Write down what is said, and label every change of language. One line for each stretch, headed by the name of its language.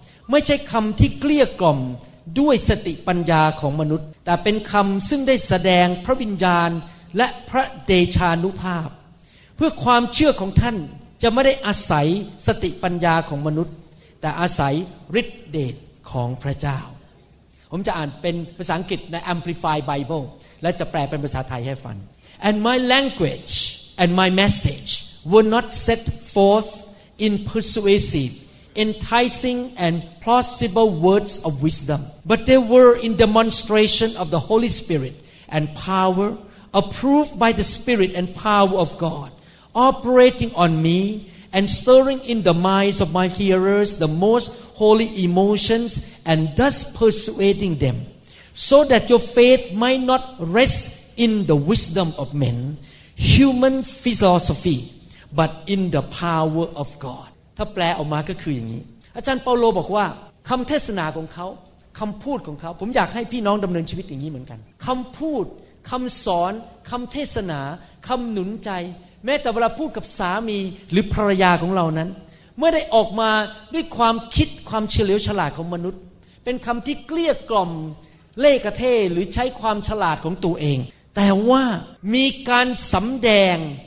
Thai: ไม่ใช่คำที่เกลี้ยกล่อมด้วยสติปัญญาของมนุษย์แต่เป็นคำซึ่งได้แสดงพระวิญญาณและพระเดชานุภาพเพื่อความเชื่อของท่านจะไม่ได้อาศัยสติปัญญาของมนุษย์แต่อาศัยฤทธิ์เดชของพระเจ้าผมจะอ่านเป็นภาษาอังกฤษใน Amplified Bible และจะแปลเป็นภาษาไทยให้ฟัง
English: And my language and my message were not set forth in persuasive, enticing, and plausible words of wisdom, but they were in demonstration of the Holy Spirit and power, approved by the Spirit and power of God, operating on me and stirring in the minds of my hearers the most holy emotions and thus persuading them, so that your faith might not rest in the wisdom of men, human philosophy, but in the power of God.
Thai: ถ้าแปลออกมาก็คืออย่างนี้อาจารย์เปาโลบอกว่าคำเทศนาของเขาคำพูดของเขาผมอยากให้พี่น้องดำเนินชีวิตอย่างนี้เหมือนกันคำพูดคำสอนคำเทศนาคำหนุนใจแม้แต่เวลาพูดกับสามีหรือภรรยาของเรานั้นเมื่อได้ออกมาด้วยความคิดความเฉลียวฉลาดของมนุษย์เป็นคำที่เกลี้ยกล่อมเล่ห์กระเทหรือใช้ความฉลาดของตัวเองแต่ว่ามีการสำแดง